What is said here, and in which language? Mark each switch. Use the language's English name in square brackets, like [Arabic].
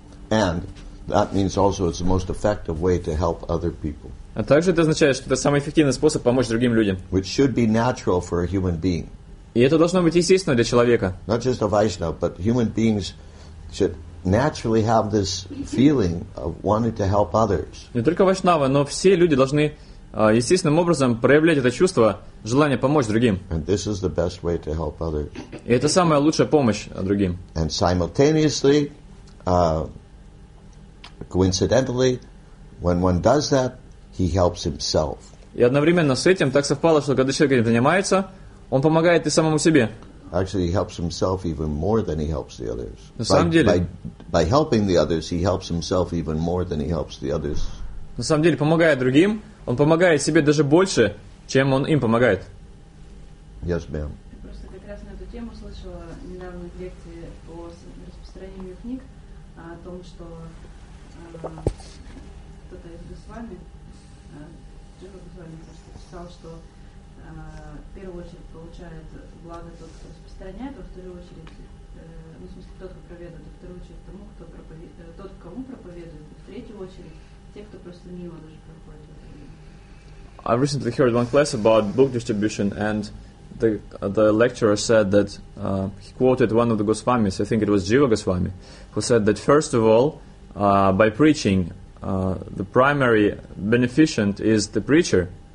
[English] And that means also it's the most effective way to help other people. [Russian] А также это означает, что это самый эффективный способ помочь другим людям. [English] Which should be natural for a human being. [Russian] И это должно быть естественно для человека. [English] Not just a Vaishnava, but human beings should naturally have this feeling of wanting to help others. [Russian] Не только вайшнавы, но все люди должны естественным образом проявлять это чувство желания помочь другим. [English] And this is the best way to help others. [Russian] И это самая лучшая помощь другим. [English] And simultaneously, coincidentally, when one does that, he helps himself. [Russian] И одновременно с этим так совпало, что когда человек этим занимается, он помогает и самому себе. [English] Actually, he helps himself even more than he helps the others. [Russian] На самом деле, [English] by helping the others, he helps himself even more than he helps the others. [Russian] На самом деле, помогая другим, он помогает себе даже больше, чем он им помогает. [English] Yes, ma'am. [Russian] Я просто как раз на эту тему слышала недавно в лекции по распространению книг о том, что кто-то из Госвами, Джива Госвами, писал, что в первую очередь получает благо тот, кто распространяет, во вторую очередь, ну, в смысле, тот, кто проведает, во вторую очередь тому, кто проповедует, тот, кому проповедует, в третью очередь, те, кто просто мимо даже проходит. [English] I recently heard one class about book distribution, and the lecturer said that he quoted one of the Goswamis, I think it was Jiva Goswami, who said that first of all, by preaching, the primary beneficent is the preacher.